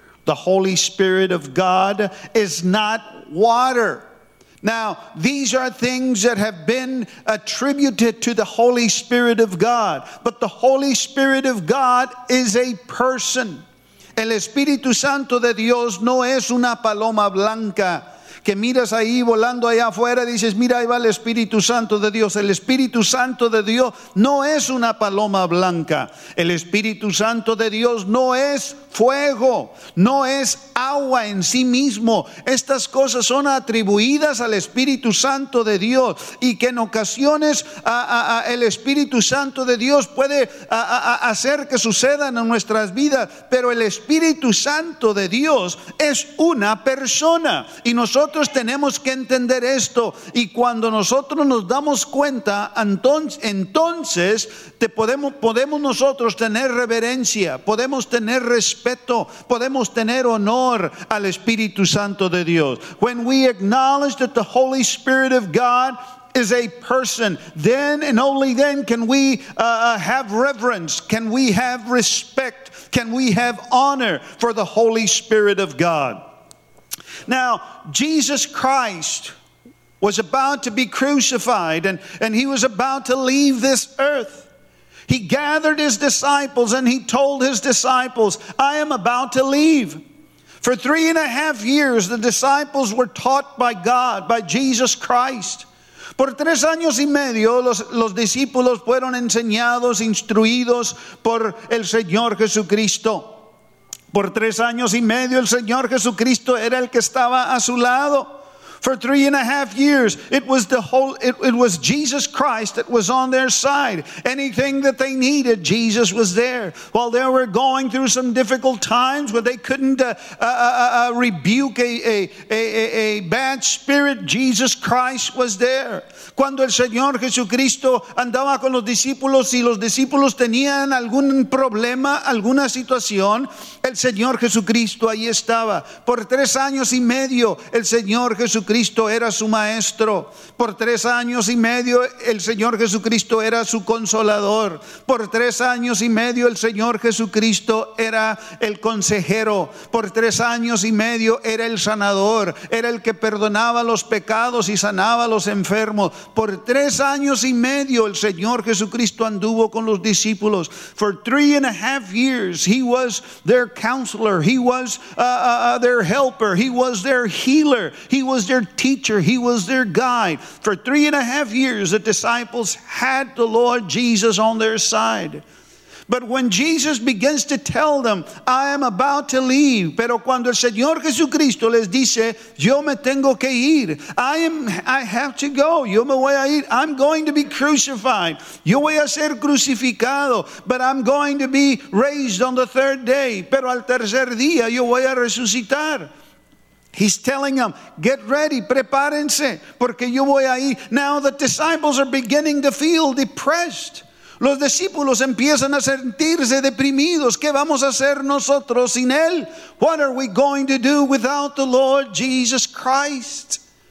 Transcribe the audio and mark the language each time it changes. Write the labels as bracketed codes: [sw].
[en] The Holy Spirit of God is not water. Now, these are things that have been attributed to the Holy Spirit of God. But the Holy Spirit of God is a person. [es] El Espíritu Santo de Dios no es una paloma blanca. Que miras ahí volando allá afuera, dices, mira, ahí va el Espíritu Santo de Dios. El Espíritu Santo de Dios no es una paloma blanca. El Espíritu Santo de Dios no es fuego, no es agua en sí mismo. Estas cosas son atribuidas al Espíritu Santo de Dios, y que en ocasiones el Espíritu Santo de Dios puede hacer que sucedan en nuestras vidas, pero el Espíritu Santo de Dios es una persona, y nosotros tenemos que entender esto. Y cuando nosotros nos damos cuenta, entonces podemos nosotros tener reverencia, podemos tener respeto, podemos tener honor al Espíritu Santo de Dios. [en] When we acknowledge that the Holy Spirit of God is a person, then and only then can we have reverence, can we have respect, can we have honor for the Holy Spirit of God. Now, Jesus Christ was about to be crucified, and he was about to leave this earth. He gathered his disciples and he told his disciples, I am about to leave. For 3.5 years, the disciples were taught by God, by Jesus Christ. [es] Por 3 años y medio, los discípulos fueron enseñados, instruidos por el Señor Jesucristo. Por 3 años y medio, el Señor Jesucristo era el que estaba a su lado. [en] For 3.5 years, it was Jesus Christ that was on their side. Anything that they needed, Jesus was there. While they were going through some difficult times where they couldn't rebuke a bad spirit, Jesus Christ was there. [es] Cuando el Señor Jesucristo andaba con los discípulos y los discípulos tenían algún problema, alguna situación, el Señor Jesucristo ahí estaba. Por 3 años y medio, el Señor Jesucristo era su maestro. Por 3 años y medio, el Señor Jesucristo era su consolador. Por 3 años y medio, el Señor Jesucristo era el consejero. Por 3 años y medio, era el sanador. Era el que perdonaba los pecados y sanaba a los enfermos. Por 3 años y medio, el Señor Jesucristo anduvo con los discípulos. [en] For 3.5 years, he was their counselor. He was their helper. He was their healer. He was their teacher. He was their guide. For 3.5 years, the disciples had the Lord Jesus on their side. But when Jesus begins to tell them, I am about to leave. [es] Pero cuando el Señor Jesucristo les dice, yo me tengo que ir. [en] I have to go. [es] Yo me voy a ir. [en] I'm going to be crucified. [es] Yo voy a ser crucificado. [en] But I'm going to be raised on the third day. [es] Pero al tercer día yo voy a resucitar. [en] He's telling them, get ready, [es] prepárense, porque yo voy a ir. [en] Now the disciples are beginning to feel depressed. [es] Los discípulos empiezan a sentirse deprimidos. ¿Qué vamos a hacer nosotros sin Él? [en] What are we going to do without the Lord Jesus Christ?